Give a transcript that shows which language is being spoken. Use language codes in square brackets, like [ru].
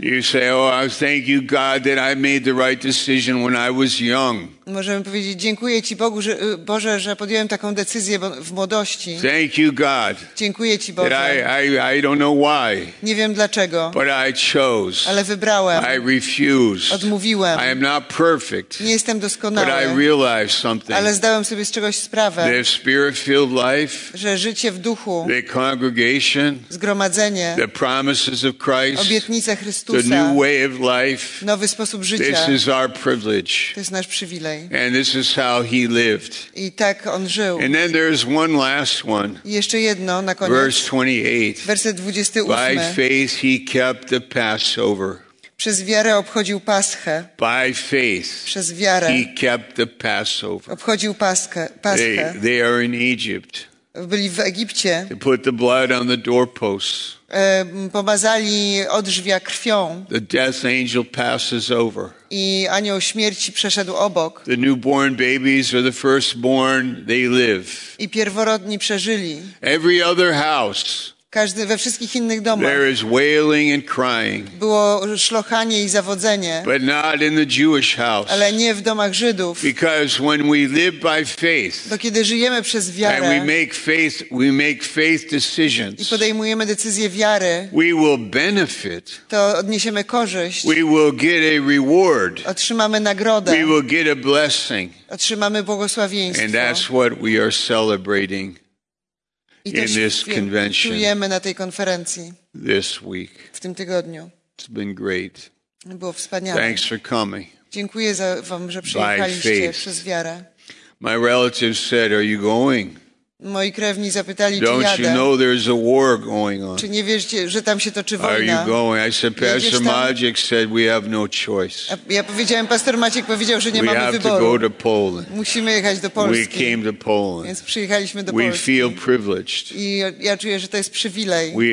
[en] you say, oh, thank you, God, that I made the right decision when I was young. [pl] Możemy powiedzieć, dziękuję Ci Bogu, że, Boże, że podjąłem taką decyzję w młodości. [en] Thank you, God. [pl] Dziękuję Ci Boże. [en] That I don't know why. [pl] Nie wiem dlaczego. [en] But I chose. [pl] Ale wybrałem. [en] I refused. [pl] Odmówiłem. [en] I am not perfect. [pl] Nie jestem doskonały. [en] But I realized something. [pl] Ale zdałem sobie z czegoś sprawę. [en] The spirit-filled life. [pl] Że życie w duchu. [en] The congregation. [pl] Zgromadzenie. [en] The promises of Christ. [pl] Obietnice Chrystusa. [en] The new way of life. [pl] Nowy sposób życia. [en] This is our privilege. [pl] To jest nasz przywilej. [en] And this is how he lived. [pl] I tak on żył. [en] And then there's one last one. [pl] I jeszcze jedno na koniec. [en] Verse 28. [pl] Werset 28. [en] By faith he kept the Passover. [pl] Przez wiarę obchodził Paschę. [en] By faith. [pl] Przez wiarę. [en] He kept the Passover. [pl] Obchodził Paschę. [en] They are in Egypt. [pl] Byli w Egipcie. [en] They put the blood on the doorposts. [pl] Pomazali odrzwia krwią. [en] The death angel passes over. [pl] I anioł śmierci przeszedł obok. [en] The newborn babies are the firstborn, they live. [pl] I pierworodni przeżyli. [en] Every other house. [pl] Każdy we wszystkich innych domach. [en] There is wailing and crying. [pl] Było szlochanie i zawodzenie. [en] But not in the Jewish house. [pl] Ale nie w domach Żydów. [en] Because when we live by faith. [pl] Bo kiedy żyjemy przez wiarę. [en] And we make faith decisions. [pl] I podejmujemy decyzje wiary. [en] We will benefit. [pl] To odniesiemy korzyść. [en] We will get a reward. [pl] Otrzymamy nagrodę. [en] We will get a blessing. [pl] Otrzymamy błogosławieństwo. [en] And that's what we are celebrating. in this convention. [pl] Czujemy na tej konferencji. [en] This week. [pl] W tym tygodniu. [en] It's been great. [pl] Było wspaniale. [en] Thanks for coming. [pl] Dziękuję za wam, że przyjechaliście przez wiarę. [en] My relatives said, "Are you going?" [pl] Moi krewni zapytali, czy jadę. [en] You know there's a war going on? [pl] Czy nie wiecie, że tam się toczy wojna? [en] Are you going? I said, Pastor Maciek said, we have no choice. [pl] Ja powiedziałem, Pastor Maciek powiedział, że nie [en] we [pl] mamy [en] have [pl] wyboru. [en] To go to Poland. [pl] Musimy jechać do Polski. [en] We came to Poland. [pl] Więc przyjechaliśmy do [en] we [pl] Polski. [en] We feel privileged. [pl] I ja czuję, że to jest przywilej.